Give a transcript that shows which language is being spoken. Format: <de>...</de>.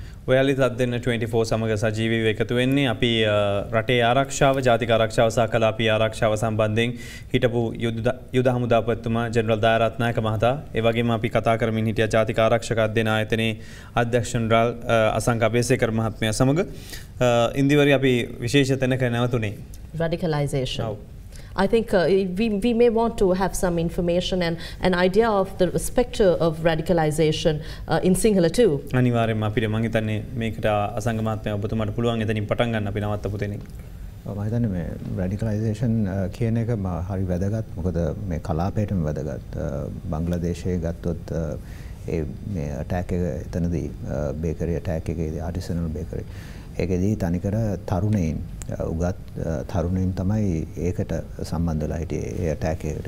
<si>ඔයාලිත් අද දෙන 24 සමග සජීවීව එකතු වෙන්නේ අපි රටේ ආරක්ෂාව ජාතික ආරක්ෂාව සහ කලාපී ආරක්ෂාව සම්බන්ධයෙන් හිටපු යුද හමුදාපතිතුමා ජෙනරල් දයා රත්නායක මහතා ඒ වගේම අපි කතා කරමින් හිටිය ජාතික ආරක්ෂක අධ්‍යනායතනයේ අධ්‍යක්ෂ ජෙනරල් අසංක අබේසේකර මහත්මයා සමග ඉන්දිවරි අපි විශේෂ තැනක නැවතුනේ</si> <en>Radicalization I think we may want to have some information and an idea of the specter of radicalization in Sinhala too.</en> <si>අනිවාර්යයෙන්ම අපිට මං හිතන්නේ මේකට අසංග මහත්මයා ඔබතුමාට පුළුවන් එතනින් පටන් ගන්න අපි නවත්තපු තැනින්. ඔව් මම හිතන්නේ මේ radicalization කියන එක හරි වැදගත් මොකද මේ කලාපයටම වැදගත්. බංග්ලාදේශයේ ගත්තොත් ඒ මේ attack එක එතනදී bakery attack එකේදී artisanal bakery ඒකදී තනිකර තරුණයින් උගත් තරුණයින් තමයි ඒකට සම්බන්ධ වෙලා හිටියේ ඒ ඇටැක් එකට.</si>